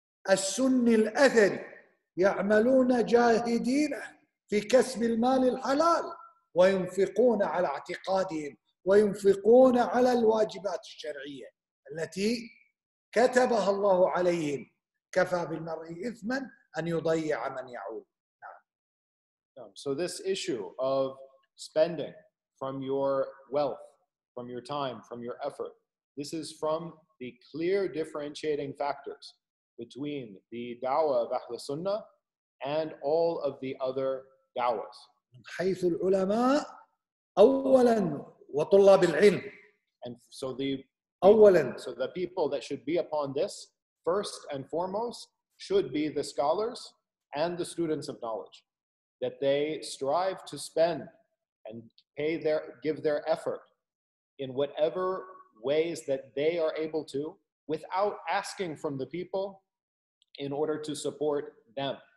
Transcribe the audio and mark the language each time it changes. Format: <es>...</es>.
<ar>السني الأثري، يعملون جاهدين في كسب المال الحلال، وينفقون على اعتقادهم، وينفقون على الواجبات الشرعية التي كتبها الله عليهم. كفى بالمرء إثما أن يضيع من يعول.</ar> <en>So this issue of spending from your wealth, from your time, from your effort, this is from the clear differentiating factors between the da'wah of Ahl Sunnah and all of the other da'wahs.</en> <ar>من حيث العلماء أولاً وطلاب العلم.</ar> <en>And so the people,</en> <ar>أولاً.</ar> <en>So the people that should be upon this, first and foremost, should be the scholars and the students of knowledge. That they strive to spend and pay their, give their effort in whatever ways that they are able to, without asking from the people in order to support them.</en>